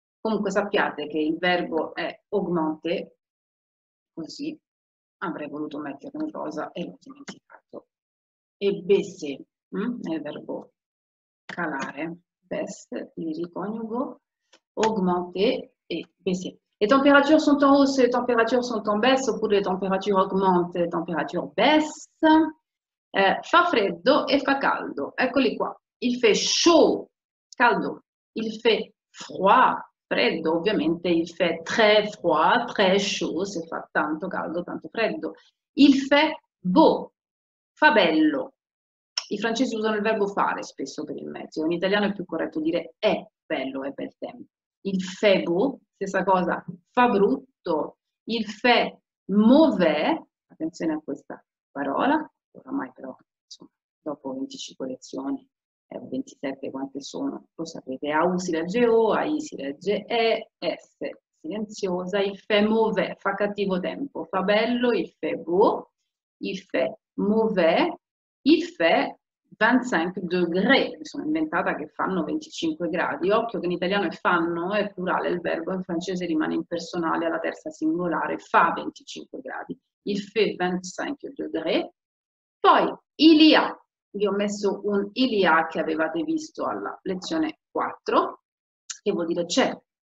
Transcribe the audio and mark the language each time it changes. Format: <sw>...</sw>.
<it>Comunque sappiate che il verbo è augmenter, così avrei voluto metterlo in rosa e l'ho dimenticato. E baisser, è il verbo calare, baisser, il riconiugo, augmenter e baisser.</it> <fr>Les températures sont en hausse, les températures sont en baisse, oppure les températures augmentent, les températures baissent.</fr> <it>Fa freddo e fa caldo. Eccoli qua.</it> <fr>Il fait chaud, caldo. Il fait froid, freddo.</fr> <it>Ovviamente</it> <fr>il fait très froid, très chaud,</fr> <it>se fa tanto caldo, tanto freddo.</it> <fr>Il fait beau,</fr> <it>fa bello. I francesi usano il verbo fare spesso per il meteo. In italiano è più corretto dire è bello, è bel tempo.</it> <fr>Il fait beau,</fr> <it>stessa cosa, fa brutto.</it> <fr>Il fait mauvais,</fr> <it>attenzione a questa parola, oramai però, insomma, dopo 25 lezioni, 27 quante sono, lo sapete, A, U si legge O, A, I si legge E, S, silenziosa.</it> <fr>Il fait mauvais,</fr> <it>fa cattivo tempo, fa bello,</it> <fr>il fait beau, il fait mauvais, il fait 25 degrés,</fr> <it>mi sono inventata che fanno 25 gradi. Occhio che in italiano è fanno, è plurale il verbo, in francese rimane impersonale alla terza singolare, fa 25 gradi.</it> <fr>Il fait 25 degrés.</fr> <it>Poi, il y a, vi ho messo un il y a che avevate visto alla lezione 4, che vuol dire c'è.</it>